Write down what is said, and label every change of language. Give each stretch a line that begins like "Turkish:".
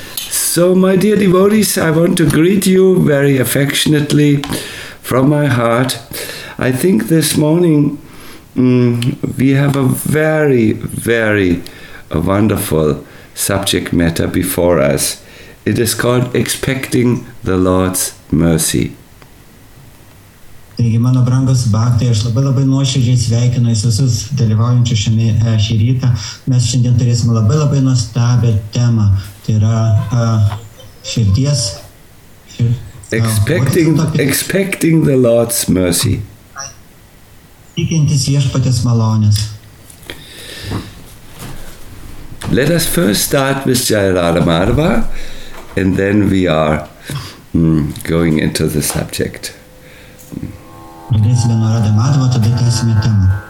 English: So, my dear devotees, I want to greet you very affectionately from my heart. I think this morning, we have a very wonderful subject matter before us. It is called Expecting the Lord's Mercy.
Lithuanian: Taigi, mano brangus Bakhtai, aš labai labai nuoširdžiai sveikinu visus dalyvaujančius šį rytą. Mes šiandien turėsime labai labai nuostabią temą. Tai yra širdies.
English: Expecting the Lord's mercy.
Lithuanian: Tikintis viešpatės malonės.
English: Let us first start with Jairada Madhava, and then we are going into the subject.
Lithuanian: Pradėsime nuo Radha Madhava, tada tęsime temą.